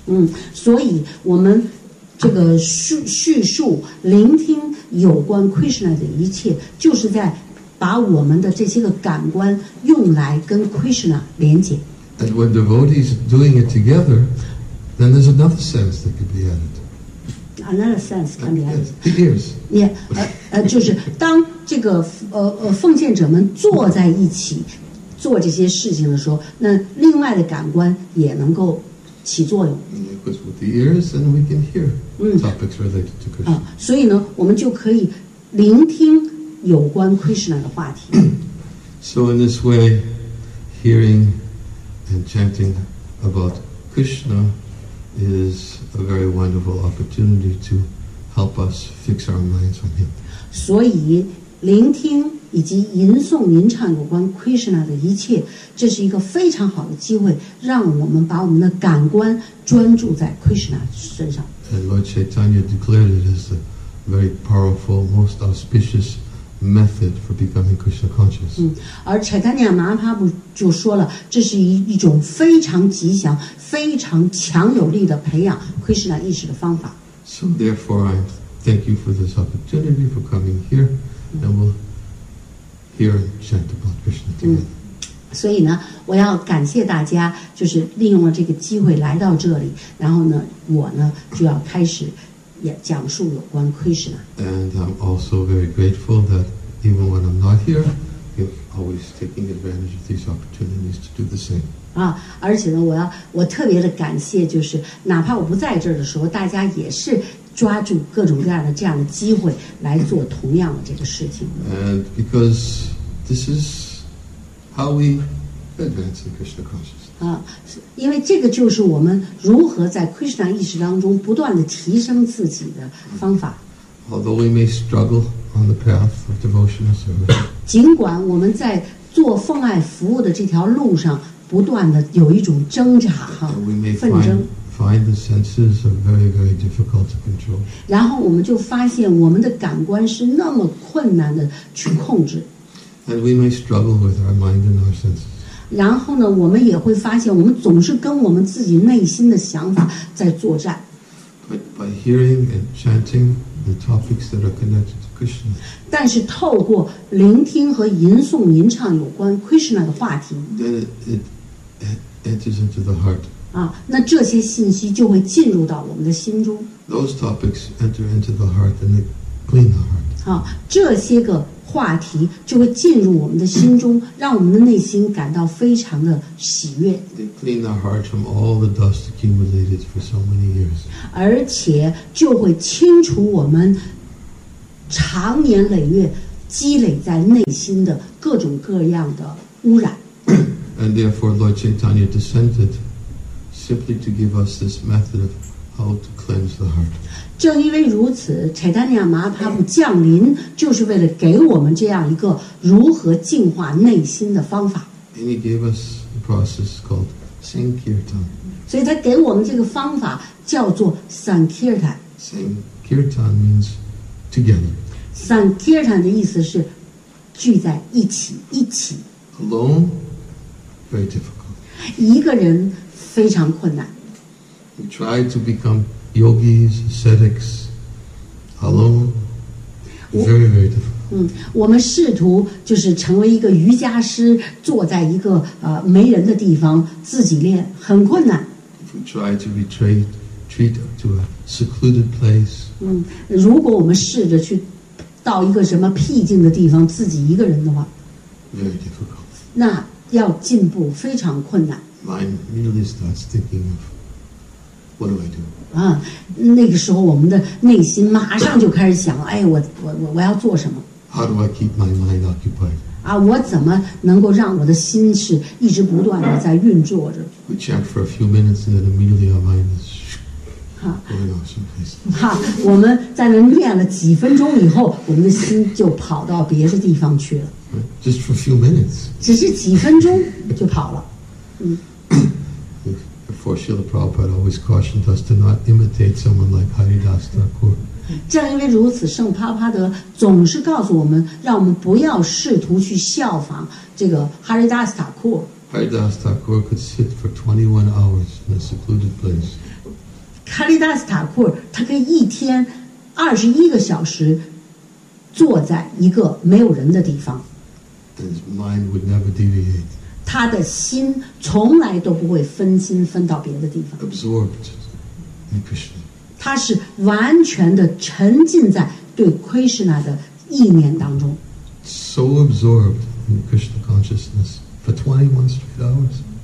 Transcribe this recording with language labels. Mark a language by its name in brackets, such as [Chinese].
[Chinese] 嗯，所以我们这个叙述、聆听有关 Krishna 的一切，就是在。把我们的这些个感官用来跟 Krishna 连接。 [English] And when devotees doing it together, then there's another sense that could be added. Another sense can be added. The ears. [Chinese] Yeah, 就是当这个奉献者们坐在一起做这些事情的时候，那另外的感官也能够起作用。 [English] Because with the ears, and we can hear topics related to Krishna. [Chinese] 所以呢，我们就可以聆听有关 Krishna 的话题。 [English] So in this way, hearing and chanting about Krishna is a very wonderful opportunity to help us fix our minds on Him. [Chinese] 所以聆听以及吟诵吟唱有关 Krishna 的一切，这是一个非常好的机会，让我们把我们的感官专注在 Krishna 身上。 [English] And Lord Chaitanya declared it as a very powerful, most auspicious method for becoming Krishna conscious. [Chinese] 而 Chaitanya Mahaprabhu 就说了，这是一种非常吉祥、非常强有力的培养 Krishna 意识的方法。 [English] So therefore, I thank you for this opportunity for coming here, and we'll. Here, chant about Krishna together. [Chinese] 所以呢，我要感谢大家，就是利用了这个机会来到这里。然后呢，我呢就要开始也讲述有关 Krishna。 [English] And I'm also very grateful that even when I'm not here, you're always taking advantage of these opportunities to do the same. [Chinese] 而且呢，我特别的感谢，就是哪怕我不在这儿的时候，大家也是抓住各种各样的这样的机会来做同样的这个事情。 [English] And because this is how we advance in Krishna consciousness. [Chinese] 因为这个就是我们如何在 Krishna 意识当中不断的提升自己的方法。 [English] Although we may struggle on the path of devotional service. [Chinese] 尽管我们在做奉爱服务的这条路上不断的有一种挣扎哈，纷争。 [English] Find the senses are very, very difficult to control. [Chinese] 然后我们就发现我们的感官是那么困难的去控制。 [English] And we may struggle with our mind and our senses. [Chinese] 然后呢，我们也会发现我们总是跟我们自己内心的想法在作战。 [English] But by hearing and chanting the topics that are connected to Krishna. [Chinese] 但是透过聆听和吟诵吟唱有关 Krishna 的话题。 [English] Then it enters into the heart. [Chinese] 那这些信息就会进入到我们的心中。 [English] Those topics enter into the heart and they clean the heart. [Chinese] 这些个话题就会进入我们的心中，让我们的内心感到非常的喜悦。 [English] They clean the heart from all the dust accumulated for so many years. [Chinese] 而且就会清除我们长年累月积累在内心的各种各样的污染。 [English] And therefore, Lord Chaitanya descended. Simply to give us this method of how to cleanse the heart. [Chinese] 正因为如此，柴达尼亚马帕布降临就是为了给我们这样一个如何净化内心的方法。 [English] And he gave us a process called Sankirtan. [Chinese] 所以他给我们这个方法叫做 Sankirtan. [English] Sankirtan means together. [Chinese] Sankirtan 的意思是聚在一起，一起。 [English] Alone, very difficult. [Chinese] 一个人。非常困难。 [English] We try to become yogis, ascetics, alone. Very, very difficult. [Chinese] 我们试图就是成为一个瑜伽师，坐在一个没人的地方自己练，很困难。 [English] If we try to retreat to a secluded place. [Chinese] 如果我们试着去到一个什么僻静的地方自己一个人的话 [English] ，very difficult. [Chinese] 那要进步非常困难。 [English] Mind immediately starts thinking of what do I do? [Chinese] 那个时候我们的内心马上就开始想，哎，我要做什么 [English] ？How do I keep my mind occupied? [Chinese] 我怎么能够让我的心是一直不断的在运作着 [English] ？We chant for a few minutes, and then immediately our mind is going off someplace. [Chinese] 我们在那念了几分钟以后，我们的心就跑到别的地方去了。 [English] Just for a few minutes. [Chinese] 只是几分钟就跑了。 [English] Therefore, Srila Prabhupada always cautioned us to not imitate someone like Haridas Thakur. [Chinese] 正因为如此，圣帕帕德总是告诉我们，让我们不要试图去效仿这个 Haridas Thakur. [English] Haridas Thakur could sit for 21 hours in a secluded place. [Chinese] Haridas Thakur, 他可以一天21个小时坐在一个没有人的地方。 [English] His mind would never deviate. [Chinese] 他的心从来都不会分心分到别的地方。 [English] Absorbed in Krishna. [Chinese] 他是完全的沉浸在对 Krishna 的意念当中。 [English] So absorbed in Krishna consciousness for 21 straight hours.